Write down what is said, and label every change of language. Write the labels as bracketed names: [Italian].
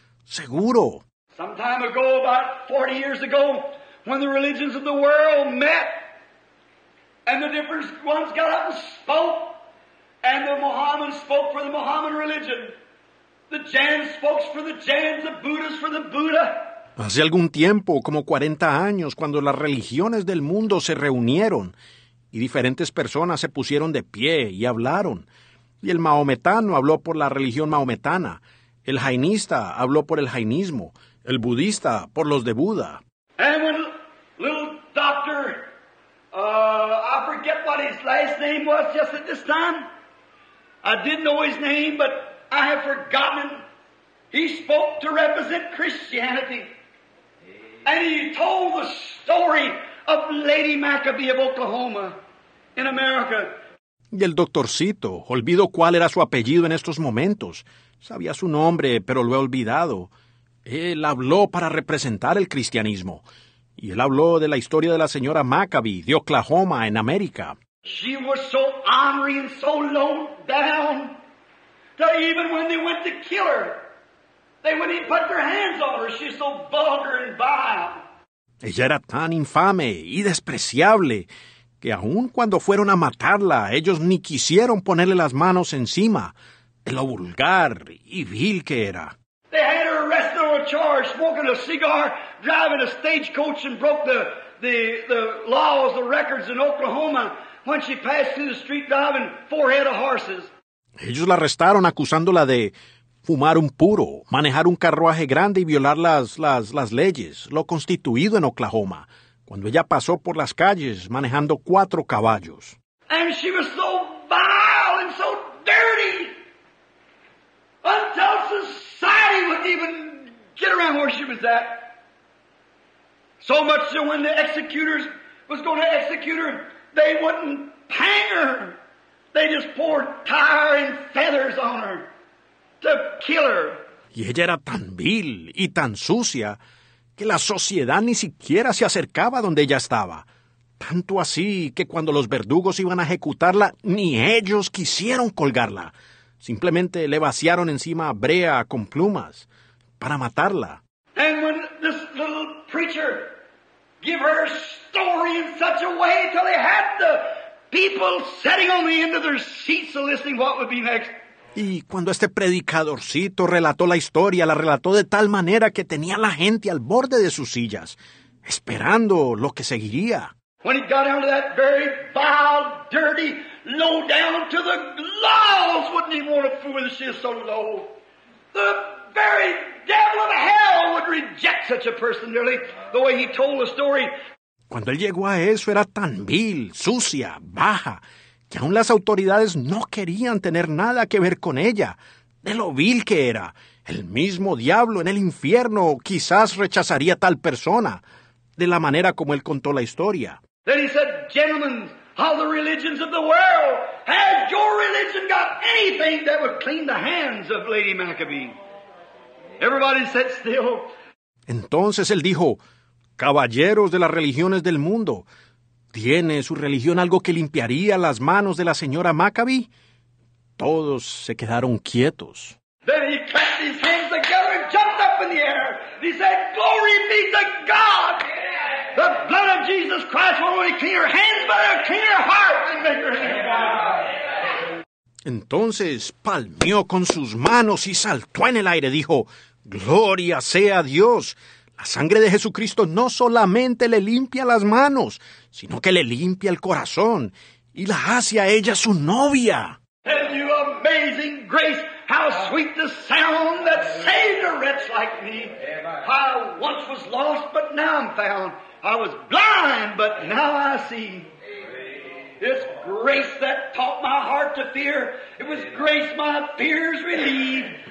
[Spanish] Seguro. [English] Some time ago, about 40 years ago, when the religions of the world met, and the different ones got up and spoke, and the Mohammedans spoke for the Mohammedan religion. The Jains spoke for the Jains, the Buddhists for the Buddha. [Spanish] Hace algún tiempo, como 40 años, cuando las religiones del mundo se reunieron y diferentes personas se pusieron de pie y hablaron, y el mahometano habló por la religión mahometana, el jainista habló por el jainismo, el budista por los de Buda. [English] And when little doctor, I forget what his last name was just at this time. I didn't know his name, but I have forgotten. He spoke to represent Christianity. And he told the story of Lady Maccabee of Oklahoma in America. [Spanish] Y el doctorcito, olvido cuál era su apellido en estos momentos. Sabía su nombre, pero lo he olvidado. Él habló para representar el cristianismo. Y él habló de la historia de la señora Maccabee de Oklahoma en América. [English] She was so ornery and so low down. That even when they went to kill her, they wouldn't even put their hands on her. She's so vulgar and vile. [Spanish] Ella era tan infame y despreciable que aun cuando fueron a matarla, ellos ni quisieron ponerle las manos encima de lo vulgar y vil que era. [English] They had her arrested on a charge, smoking a cigar, driving a stagecoach, and broke the laws, the records in Oklahoma when she passed through the street driving 4 head of horses. [Spanish] Ellos la arrestaron acusándola de fumar un puro, manejar un carruaje grande y violar las leyes, lo constituido en Oklahoma, cuando ella pasó por las calles manejando 4 caballos. [English] And she was so vile and so dirty until society wouldn't even get around where she was at. So much so when the executors was going to execute her, they wouldn't hang her. They just poured tar and feathers on her to kill her. [Spanish] Y ella era tan vil y tan sucia que la sociedad ni siquiera se acercaba donde ella estaba. Tanto así que cuando los verdugos iban a ejecutarla, ni ellos quisieron colgarla. Simplemente le vaciaron encima brea con plumas para matarla. [English] And when this little preacher gave her story in such a way till they had the people sitting on the end of their seats listening what would be next. [Spanish] Y cuando este predicadorcito relató la historia, la relató de tal manera que tenía la gente al borde de sus sillas, esperando lo que seguiría. [English] When he got down to that very vile, dirty, low down to the laws, wouldn't even want to fool if she is so low. The very devil of hell would reject such a person, nearly, the way he told the story. [Spanish] Cuando él llegó a eso, era tan vil, sucia, baja, que aún las autoridades no querían tener nada que ver con ella, de lo vil que era. El mismo diablo en el infierno quizás rechazaría a tal persona, de la manera como él contó la historia. [English] Then he said, gentlemen, all the religions of the world, has your religion got anything that would clean the hands of Lady Maccabee? Everybody sat still. [Spanish] Entonces él dijo, caballeros de las religiones del mundo, ¿tiene su religión algo que limpiaría las manos de la señora Maccabee? Todos se quedaron quietos. [English] Then he clapped his hands together and jumped up in the air. He said, glory be to God! The blood of Jesus Christ won't only clean your hands, but it'll clean your heart and make your hands. [Spanish] Entonces palmeó con sus manos y saltó en el aire. Dijo, gloria sea Dios. La sangre de Jesucristo no solamente le limpia las manos, sino que le limpia el corazón y la hace a ella su novia. [English] And you amazing grace, how sweet the sound that saved a wretch like me. I once was lost, but now I'm found. I was blind, but now I see. It's grace that taught my heart to fear. It was grace my fears relieved.